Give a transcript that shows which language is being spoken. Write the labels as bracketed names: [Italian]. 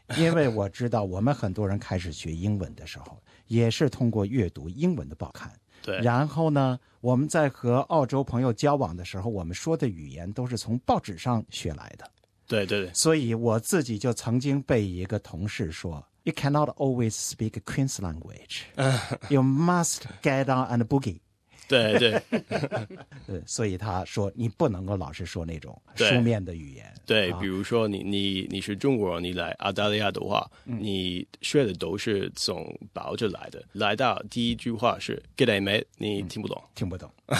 [Chinese] 因为我知道我们很多人开始学英文的时候，也是通过阅读英文的报刊。对，然后呢，我们在和澳洲朋友交往的时候，我们说的语言都是从报纸上学来的。对对对。所以我自己就曾经被一个同事说 [English] You cannot always speak Queen's language. You must get on and boogie. [Chinese] 对对。所以他说你不能够老是说那种书面的语言。对, 对、啊、比如说你是中国人，你来澳大利亚的话、嗯、你学的都是从保着来的。来到第一句话是 [English] G'day mate, [Chinese] 你听不懂。嗯、听不懂。